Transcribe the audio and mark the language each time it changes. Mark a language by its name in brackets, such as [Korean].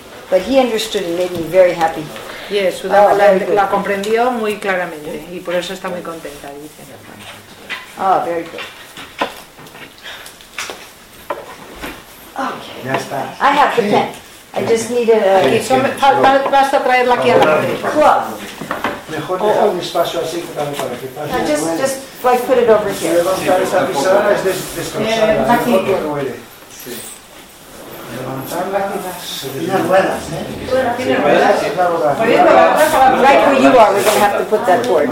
[English] But he understood and made me very happy. [Spanish] Yes, la comprendió muy claramente y por eso está muy contenta, dice. [English] Ah, very good. Okay. [Spanish] Ya está. [English] I have the pen. I just need a. [Spanish] Basta traer la tierra. Mejor dejar un espacio así también para que pase. [English] Just like put it over here. Right where you are, we're going to have to put that board.